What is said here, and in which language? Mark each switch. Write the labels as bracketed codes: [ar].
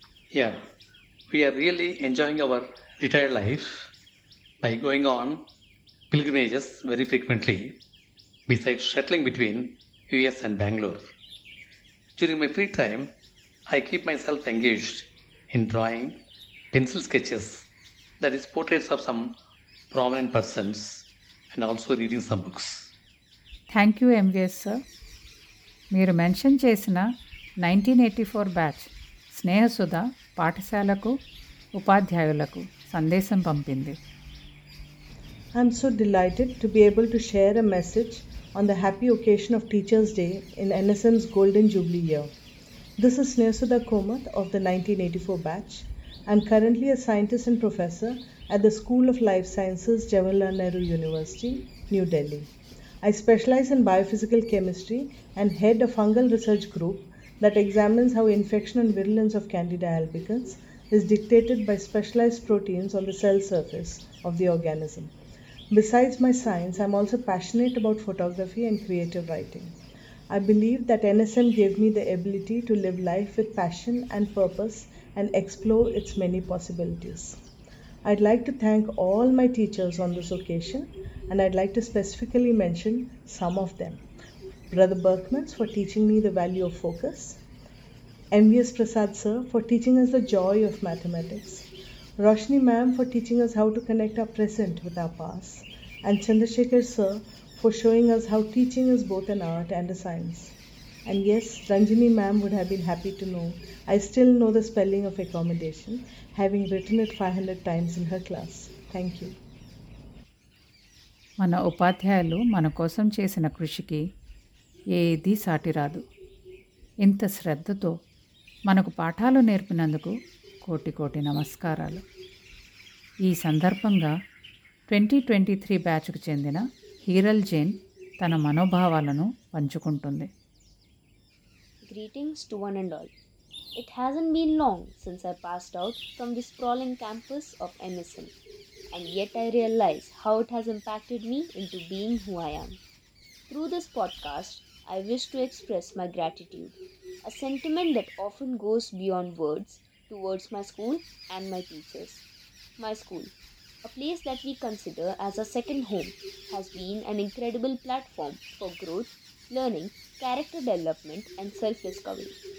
[en] Yeah, we are really enjoying our retired life by going on pilgrimages very frequently, besides shuttling between US and Bangalore. During my free time, I keep myself engaged in drawing pencil sketches, that is portraits of some prominent persons, and also reading some books. Thank you, MVS sir. [te] మీరు mention చేసిన 1984 batch స్నేహసుధ పాఠశాలకు ఉపాధ్యాయులకు సందేశం పంపింది. [en] I'm so delighted to be able to share a message on the happy occasion of teachers day in NSM's golden jubilee year. This is Snehasudha Komath of the 1984 batch and currently a scientist and professor at the school of life sciences Jawaharlal Nehru university New Delhi. I specialize in biophysical chemistry and head a fungal research group that examines how infection and virulence of Candida albicans is dictated by specialized proteins on the cell surface of the organism. Besides my science, I'm also passionate about photography and creative writing. I believe that NSM gave me the ability to live life with passion and purpose and explore its many possibilities. I'd like to thank all my teachers on this occasion, and I'd like to specifically mention some of them. Brother Berkmans for teaching me the value of focus. MVS Prasad sir for teaching us the joy of mathematics. Roshni ma'am for teaching us how to connect our present with our past. And Chandrasekhar sir for showing us how teaching is both an art and a science. And yes, Ranjini ma'am would have been happy to know, I still know the spelling of accommodation, having written it 500 times in her class. Thank you. [te] మన ఉపాధ్యాయులు మన కోసం చేసిన కృషికి ఏది సాటి రాదు. ఇంత శ్రద్ధతో మనకు పాఠాలు నేర్పినందుకు కోటి కోటి నమస్కారాలు. ఈ సందర్భంగా 2023 బ్యాచ్కు చెందిన హీరల్ జైన్ తన మనోభావాలను పంచుకుంటుంది. [en] Greetings to one and all. It has been long since I passed out from the sprawling campus of NSM. And yet I realize how it has impacted me into being who I am. Through this podcast, I wish to express my gratitude, a sentiment that often goes beyond words, towards my school and my teachers. My school, a place that we consider as a second home, has been an incredible platform for growth, learning, character development, and self-discovery.